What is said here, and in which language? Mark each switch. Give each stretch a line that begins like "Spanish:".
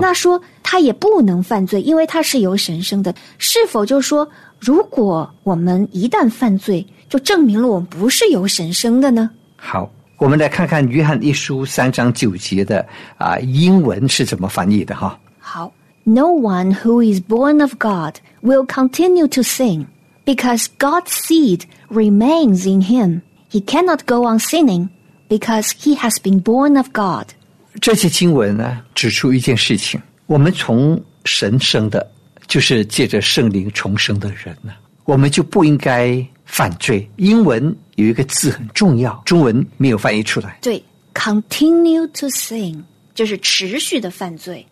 Chinese: 那说她也不能犯罪，因为她是由神生的。是否就说如果我们一旦犯罪，就证明了我们不是由神生的呢？好。我们来看看约翰一书三章九节的英文是怎么翻译的哈。好。
English: No one who is born of God will continue to sin because God's seed remains in him. He cannot go on sinning because he has been born of God.
Chinese: 这些经文呢，指出一件事情，我们从神生的，就是借着圣灵重生的人呢，我们就不应该犯罪。英文有一个字很重要，中文没有翻译出来。对，
English: continue to sin
Chinese: 就是持续的犯罪。